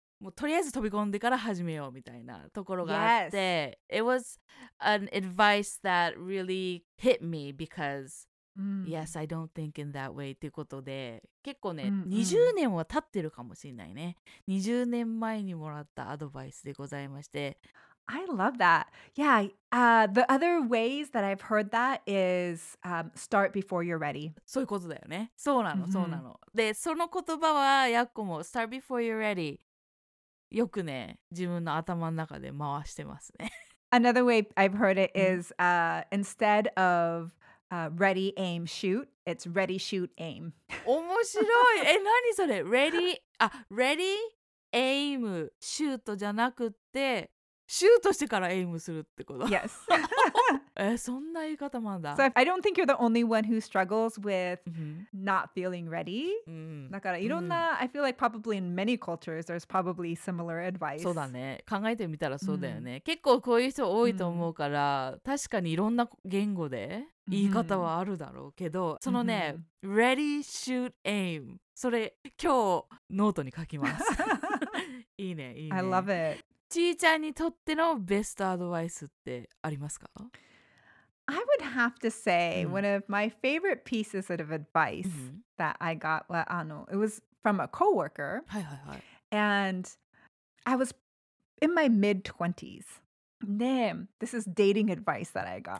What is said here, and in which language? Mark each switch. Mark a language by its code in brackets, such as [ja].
[ja] もうとりあえず飛び込んでから始めようみたいなところがあって、 [en] yes. It was an advice that really hit me because、yes, I don't think in that way [ja] ということで、結構ね、20年は経ってるかもしれないね。 20年前にもらったアドバイスでございまして、 [en] I love that. Yeah. The other ways that I've heard that is start before you're ready. [ja] そういうことだよね。そうなの、そうなの。で、その言葉はやっこも [en] start before you're ready。 [ja] よくね、自分の頭の中で回してますね。 [en] Another way I've heard it is instead of ready, aim, shoot, it's ready, shoot, aim. [ja] 面白い。え、何それ ? [en] ready, ready, aim, shoot [ja] じゃなくて、シュートしてからエイムするってこと。 [en] Yes. [ja] そんな言い方もあんだ。 [en] So I don't think you're the only one who struggles with not feeling ready. [ja] だからいろんな、 [en] I feel like probably in many cultures, there's probably similar advice. [ja] そうだね。考えてみたらそうだよね。結構こういう人多いと思うから、確かにいろんな言語で言い方はあるだろうけど、そのね、 [en] ready, shoot, aim。 [ja] それ今日ノートに書きます。いいね、いいね。 [en] I love it. [ja] ちーちゃんにとってのベストアドバイスってありますか? [en] I would have to say one of my favorite pieces of advice that I got, it was from a coworker. [ja] はいはいはい。 [en] And I was in my mid-20s. Then, this is dating advice that I got.